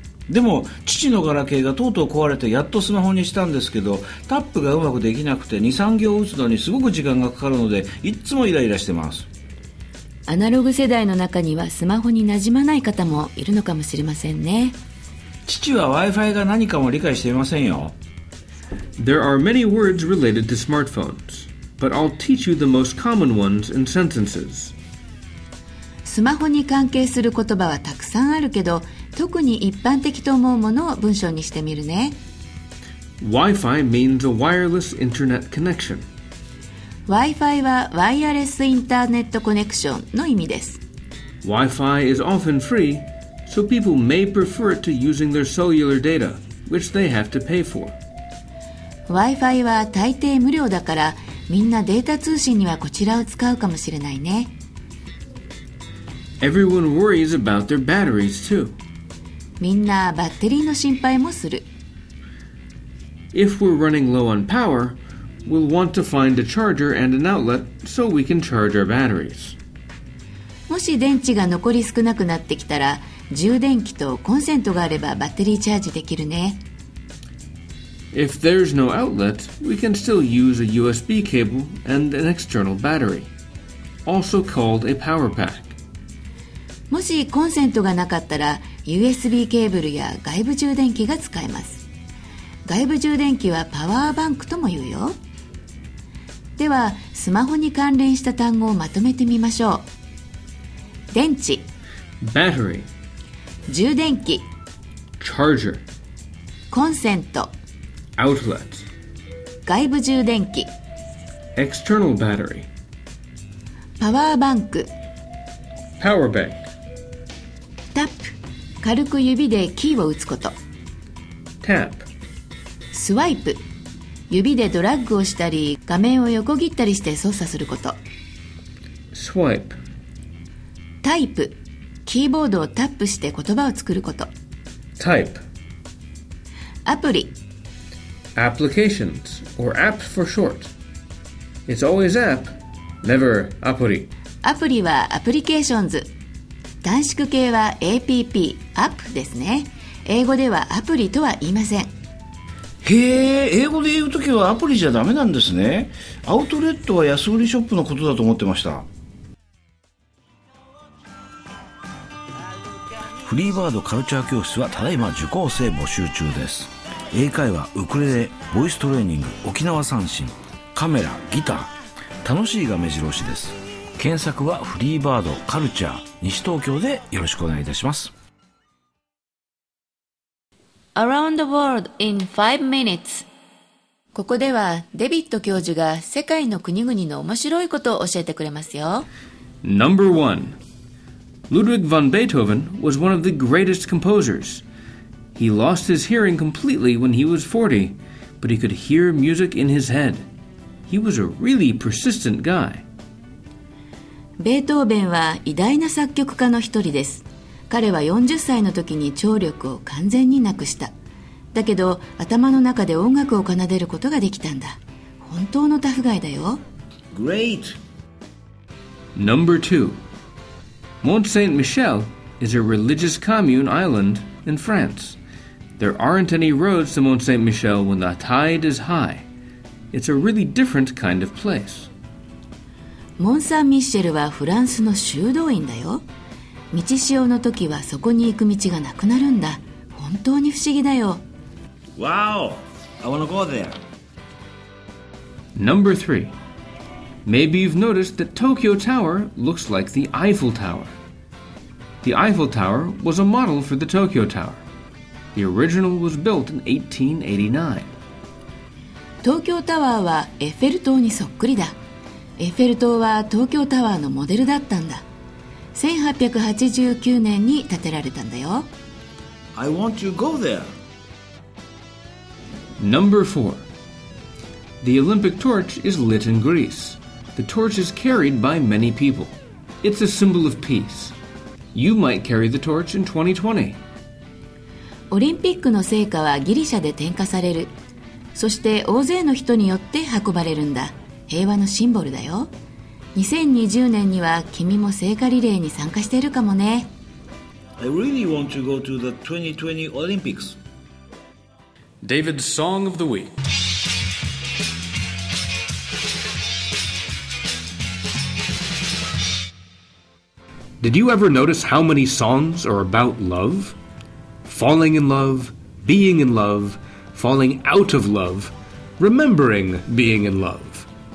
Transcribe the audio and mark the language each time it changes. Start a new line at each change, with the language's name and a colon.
Japanese: でも父のガラケーがとうとう壊れてやっとスマホにしたんですけど、タップがうまくできなくて 2,3 行打つのにすごく時間がかかるので、いつもイライラしてます。アナログ世代の中にはスマホに馴染まない方もいるのかもしれませんね。父は Wi-Fi が何かも理解していませんよ。
English: There are many words related to smartphones, but I'll teach you the most common ones in sentences.
Japanese: スマホに関係する言葉はたくさんあるけど、特に一般的と思うものを文章にしてみるね。
English: Wi-Fi means a wireless internet connection.
Japanese: Wi-Fi はワイヤレスインターネットコネクションの意味です。
English: Wi-Fi is often free, so people may prefer it to using their cellular data, which they have to pay for.
Japanese: Wi-Fi は大抵無料だから、みんなデータ通信にはこちらを使うかもしれないね。
English: Everyone worries about their batteries too.
Japanese: みんなバッテリーの心配もする。
English: If we're running low on power, we'll want to find a charger and an outlet so we can charge our batteries.
Japanese: もし電池が残り少なくなってきたら、充電器とコンセントがあればバッテリーチャージできるね。
English: If there's no outlet, we can still use a USB cable and an external battery, also called a power pack.
Japanese: もしコンセントがなかったら、USB ケーブルや外部充電器が使えます。外部充電器はパワーバンクとも言うよ。では、スマホに関連した単語をまとめてみましょう。電池
English: Battery
Japanese: 充電器
English: Charger
Japanese: コンセント
English: Outlet
Japanese: 外部充電器
English: External Battery
Japanese: パワーバンク
English: Power Bank
Japanese: タップ軽く指でキーを打つこと
English: Tap
Japanese: スワイプ指でドラッグをしたり画面を横切ったりして操作すること
English: Swipe
Japanese: タイプキーボードをタップして言葉を作ることタイプアプリ
English: Applications or apps for short It's always app, never アプリ
Japanese: アプリはアプリケーションズ短縮形は APP、アップですね英語ではアプリとは言いませんへえ、英語で言うときはアプリじゃダメなんですね。アウトレットは安売りショップのことだと思ってました。フリーバードカルチャー教室はただいま受講生募集中です。英会話、ウクレレ、ボイストレーニング、沖縄三線、カメラ、ギター、楽しいが目白押しです。検索はフリーバードカルチャー西東京でよろしくお願いいたします。
English: Around the world in 5 minutes.
Japanese: ここではデビッド教授が世界の国々の面白いことを教えてくれますよ。
English: Number 1. Ludwig von Beethoven was one of the greatest composers. He lost his hearing completely when he was 40, but he could hear music in his head. He was a really persistent guy.
Japanese: ベートーベンは偉大な作曲家の一人です。彼は40歳の時に聴力を完全になくした。だけど頭の中で音楽を奏でることができたんだ。本当のタフガイだよ。
English: Great! Number 2. Mont Saint-Michel is a religious commune island in France. There aren't any roads to Mont Saint-Michel when the tide is high. It's a really different kind of place.
Japanese: モン・サン・ミッシェルはフランスの修道院だよ。道潮の時はそこに行く道がなくなるんだ。本当に不思議だよ。
English: Wow! I wanna go there. Number 3. Maybe you've noticed that Tokyo Tower looks like the Eiffel Tower. The Eiffel Tower was a model for the Tokyo Tower. The original was built in 1889.
Japanese: 東京タワーはエッフェル塔にそっくりだ。エッフェル塔は東京タワーのモデルだったんだ。 1889年に建てられたんだよ。
English: I want to go there. Number 4. The Olympic torch is lit in Greece. The torch is carried by many people. It's a symbol of peace. You might carry the torch in 2020.
Japanese: オリンピックの聖火はギリシャで点火される。そして大勢の人によって運ばれるんだ。平和のシンボルだよ。2020年には君も聖火リレーに参加しているかもね。
English: I really want to go to the 2020 Olympics. David's Song of the Week. Did you ever notice how many songs are about love? Falling in love, being in love, falling out of love, remembering being in love.